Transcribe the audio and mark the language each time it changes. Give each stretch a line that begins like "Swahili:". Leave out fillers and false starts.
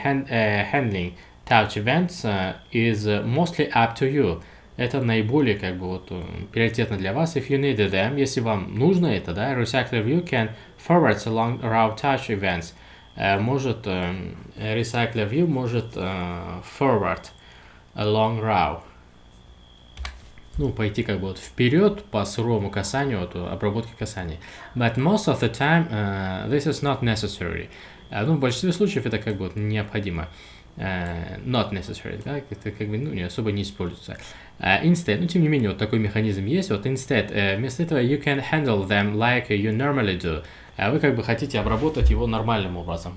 English: Handling touch events is mostly up to you.
Russian: Это наиболее как бы вот приоритетно для вас.
English: If you need them,
Russian: если вам нужно это, да,
English: recycler view can forward along route touch events.
Russian: Может, recycler view может
English: forward along route.
Russian: Ну, пойти как бы вот вперед по сырому касанию, вот обработке касания.
English: But most of the time this is not necessary.
Russian: Ну, в большинстве случаев это как бы вот необходимо.
English: Not necessary,
Russian: да, это как бы, ну, не особо не используется. Instead, ну, тем не менее, вот такой механизм есть.
English: Вот instead,
Russian: вместо этого
English: you can handle them like you normally do.
Russian: Вы как бы хотите обработать его нормальным образом.